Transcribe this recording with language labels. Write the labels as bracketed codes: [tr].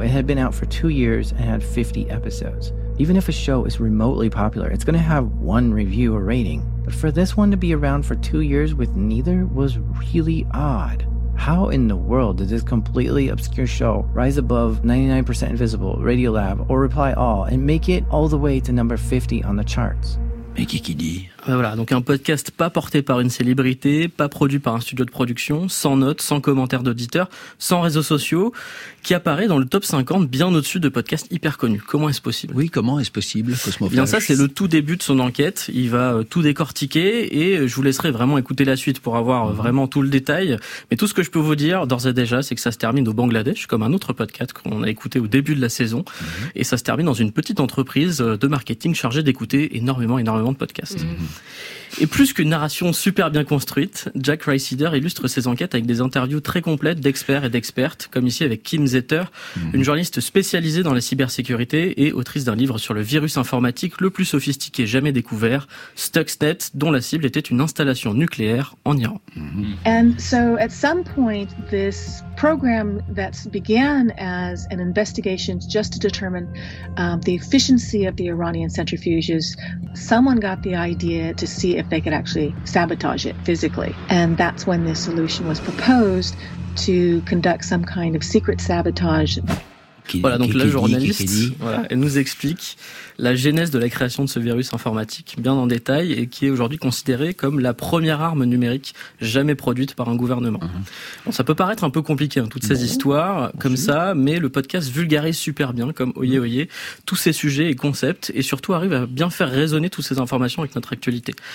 [en] It had been out for 2 years and had 50 episodes. Even if a show is remotely popular, it's going to have one review or rating. But for this one to be around for 2 years with neither was really odd. How in the world did this completely obscure show rise above 99% Invisible, Radiolab, or Reply All and make it all the way to number 50 on the charts? [fr] Mais qui dit ? Voilà, donc un podcast pas porté par une célébrité, pas produit par un studio de production, sans notes, sans commentaires d'auditeurs, sans réseaux sociaux, qui apparaît dans le top 50 bien au-dessus de podcasts hyper connus. Comment est-ce possible ? Oui, comment est-ce possible, Cosmo Flash ? Bien ça, c'est le tout début de son enquête. Il va tout décortiquer et je vous laisserai vraiment écouter la suite pour avoir vraiment tout le détail. Mais tout ce que je peux vous dire d'ores et déjà, c'est que ça se termine au Bangladesh, comme un autre podcast qu'on a écouté au début de la saison. Et ça se termine dans une petite entreprise de marketing chargée d'écouter énormément énormément de podcasts. Mmh. Et plus qu'une narration super bien construite, Jack Reiseder illustre ses enquêtes avec des interviews très complètes d'experts et d'expertes, comme ici avec Kim Zetter, une journaliste spécialisée dans la cybersécurité et autrice d'un livre sur le virus informatique le plus sophistiqué jamais découvert, Stuxnet, dont la cible était une installation nucléaire en Iran. [en] And so at some point this program that began as an investigation just to determine the efficiency of the Iranian centrifuges, someone got the idea to see if they could actually sabotage it physically. And that's when this solution was proposed to conduct some kind of secret sabotage. [fr] Voilà, donc la journaliste, voilà, elle nous explique la genèse de la création de ce virus informatique bien en détail et qui est aujourd'hui considéré comme la première arme numérique jamais produite par un gouvernement. Mm-hmm. Bon, ça peut paraître un peu compliqué, hein, toutes ces histoires comme ça, mais le podcast vulgarise super bien, comme Oyez Oyez, tous ces sujets et concepts et surtout arrive à bien faire résonner toutes ces informations avec notre actualité.